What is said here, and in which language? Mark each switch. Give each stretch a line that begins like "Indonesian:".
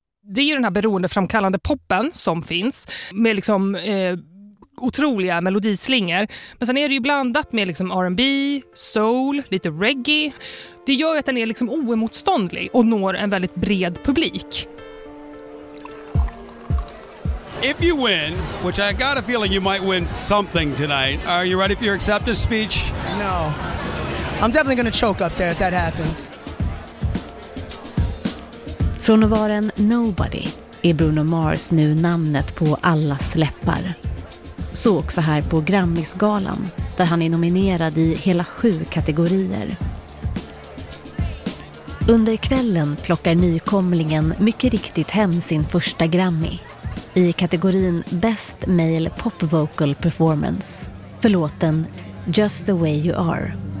Swedish: Det är ju den här beroendeframkallande poppen som finns med liksom otroliga melodislingor. Men sen är det ju blandat med liksom R&B, soul, lite reggae. Det gör ju att den är liksom oemotståndlig och når en väldigt bred publik.
English: If you win, which I got a feeling you might win something tonight, are you ready for your acceptance speech? No. I'm definitely gonna choke up there if that happens.
Swedish: Från att vara en nobody är Bruno Mars nu namnet på allas läppar. Så också här på Grammysgalan där han är nominerad i hela 7 kategorier. Under kvällen plockar nykomlingen mycket riktigt hem sin första Grammy i kategorin Best Male Pop Vocal Performance för låten Just the Way You Are.